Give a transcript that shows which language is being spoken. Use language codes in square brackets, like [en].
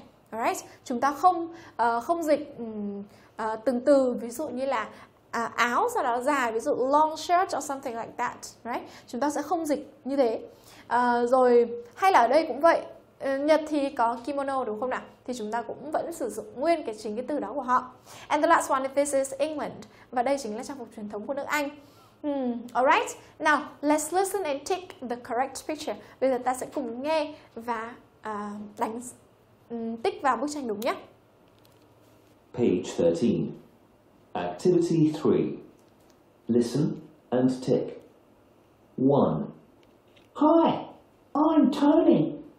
[vi] Alright, chúng ta không dịch từng từ ví dụ như là áo sau đó dài, ví dụ [en] long shirt or something like that, right? [vi] Chúng ta sẽ không dịch như thế. Rồi hay là ở đây cũng vậy. Nhật thì có kimono đúng không nào? Thì chúng ta cũng vẫn sử dụng nguyên cái chính cái từ đó của họ. [en] And the last one, this is England. [vi] Và đây chính là trang phục truyền thống của nước Anh. [en] Alright, now let's listen and tick the correct picture. [vi] Bây giờ ta sẽ cùng nghe và đánh tick vào bức tranh đúng nhé. [en] Page 13, Activity 3. Listen and tick. 1. Hi, I'm Tony.